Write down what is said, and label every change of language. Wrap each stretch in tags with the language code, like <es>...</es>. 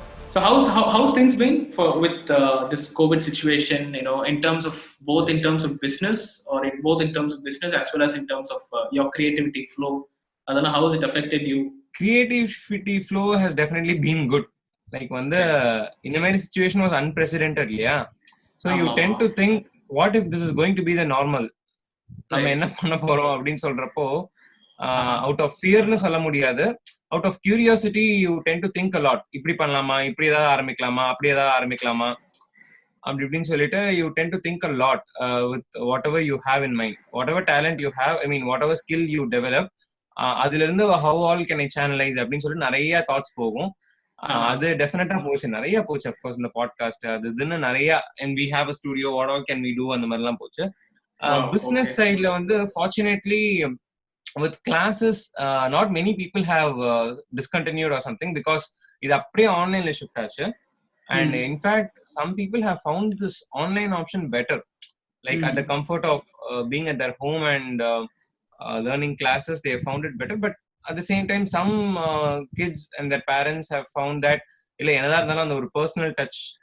<en>So how's things been for with this COVID situation, you know, in terms of both in terms of business or in both in terms of business as well as in terms of your creativity flow? I don't know, how has it affected you? Creativity flow has definitely been good. Like when the inner situation was unprecedented, yeah. So you tend to think, what if this is going to be the normal?</en> <ta>நம்ம என்ன பண்ண போறோம் அப்படின்னு சொல்றப்போ</ta> <en>out of ஃபியர்னு</en> <ta>சொல்ல முடியாது.</ta> <en>Out of curiosity, you tend to think a lot.</en> <ta>இப்படி பண்ணலாமா, இப்படி ஏதாவது ஆரம்பிக்கலாமா, அப்படி ஏதாவது ஆரம்பிக்கலாமா, அப்படி இப்படின்னு சொல்லிட்டு</ta> <en>you tend to think a lot with whatever you have in mind. Whatever talent you have, I mean, whatever skill you develop,</en> <ta>அதிலிருந்து</ta> <en>how all can I channelize</en> <ta>அப்படின்னு சொல்லிட்டு நிறைய</ta> <en>thoughts</en> <ta>போகும். அது டெஃபினட்டா போச்சு, நிறைய போச்சு.</ta> <en>of course</en> <ta>இந்த பாட்காஸ்ட் அது இதுன்னு நிறைய,</ta> <en>and we have a studio, what all can we do,</en> <ta>அந்த மாதிரிலாம் போச்சு.</ta> <en>business சைட்ல</en> <ta>வந்து</ta> <en>fortunately with classes not many people have discontinued or something because</en> <ta>id appadi online la shift aachu</ta> <en>and in fact some people have found this online option better like at the comfort of being at their home and learning classes they have found it better but at the same time some kids and their parents have found that</en> <ta>illa enada irundhalo</ta> <en>and or personal touch</en>